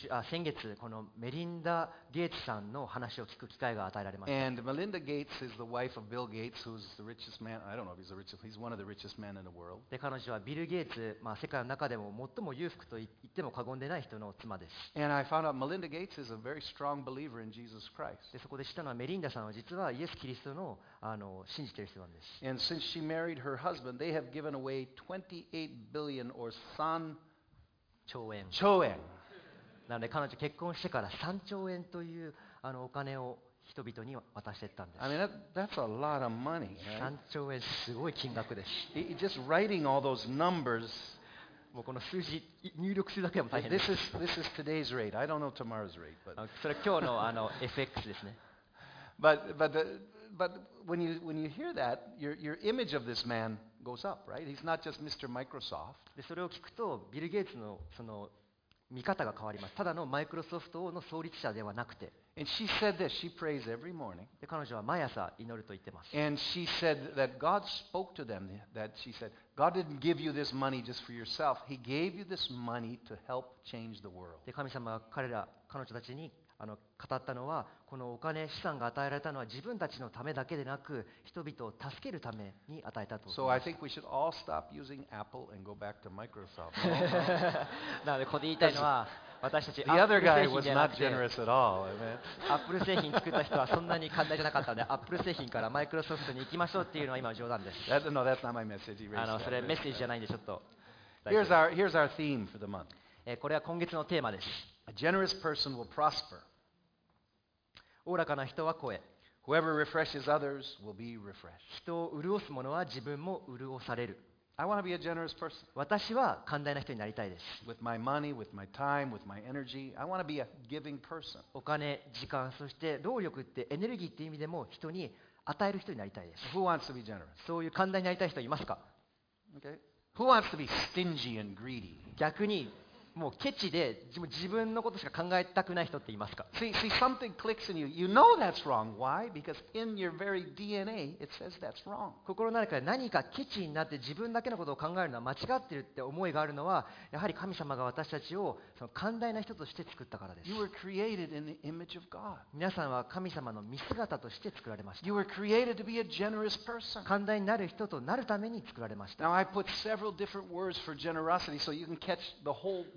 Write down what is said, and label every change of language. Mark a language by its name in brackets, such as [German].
[Japanese] 先月、このメリンダ・ゲイツさんの話を聞く機会が与えられました。 [English] And Melinda Gates is the wife of Bill Gates, who's the richest man. I don't know if he's the richest. He's one of the richest men in the world. [Japanese] で、彼女はビル・ゲイツ、まあ世界の中でも最も裕福と言っても過言でない人の妻です。 [English] And I found out Melinda Gates is a very strong believer in Jesus Christ. [Japanese] で、そこで知ったのはメリンダさんは実はイエス・キリストの信じている人なんです。 [English] And since she married her husband, they have given away 28 billion or 3兆円。 [Japanese] なので彼女結婚してから3兆円というお金を人々に渡していったんです。 [English] I mean, that's a lot of money, right? [Japanese] 3兆円すごい金額です。 [English] Just writing all those numbers, [Japanese] もうこの数字入力するだけでも大変です。 [English] This is today's rate. I don't know tomorrow's rate, but [Japanese] それは今日のFX ですね。 [English] But when you hear that, your image of this man goes up, right? He's not just Mr. Microsoft. [Japanese] でそれを聞くとビル・ゲイツのその見方が変わります。ただのマイクロソフトの創立者ではなくて。 [English] And she said this. She prays every morning. [Japanese] で、彼女は毎朝祈ると言ってます。 [English] And she said that God spoke to them. That she said, God didn't give you this money just for yourself. He gave you this money to help change the world. [Japanese] で、神様が彼ら、彼女たちに語ったのは、このお金、資産が与えられたのは自分たちのためだけでなく、人々を助けるために与えたと。 [English] So I think we should all stop using Apple and go back to Microsoft. [Japanese] なので、ここで言いたいのは、私たち、 Apple 製品ではなくて、 [English] The other guy was not generous at all. [Japanese] Apple 製品作った人はそんなに寛大じゃなかったので、Apple 製品から Microsoft に行きましょうっていうのは今冗談です。 [English] That, no, that's not my message. [Japanese] それメッセージじゃないんで、ちょっと。 [English] Here's our theme for the month. [Japanese] これは今月のテーマです。 [English] A generous person will prosper. [Japanese] 大らかな人は肥え。 [English] Whoever refreshes others will be refreshed. [Japanese] 人を潤す者は自分も潤される。 [English] I want to be a generous person. [Japanese] 私は寛大な人になりたいです。 [English] With my money, with my time, with my energy, I want to be a giving person. [Japanese] お金、時間、そして労力ってエネルギーっていう意味でも人に与える人になりたいです。 [English] Who wants to be generous? [Japanese] そういう寛大になりたい人いますか？ [English] Okay. Who wants to be stingy and greedy? [Japanese] 逆にもうケチで自分のことしか考えたくない人っていますか？ [English] See, something clicks in you. You know that's wrong. Why? Because in your very DNA, it says that's wrong. [Japanese] 心の中で何かケチになって自分だけのことを考えるのは間違ってるって思いがあるのは、やはり神様が私たちをその寛大な人として作ったからです。 [English] You were created in the image of God. [Japanese] 皆さんは神様の見姿として作られました。 [English] You were created to be a generous person. [Japanese] 寛大になる人となるために作られました。 [English] Now I put several different words for generosity so you can catch the whole.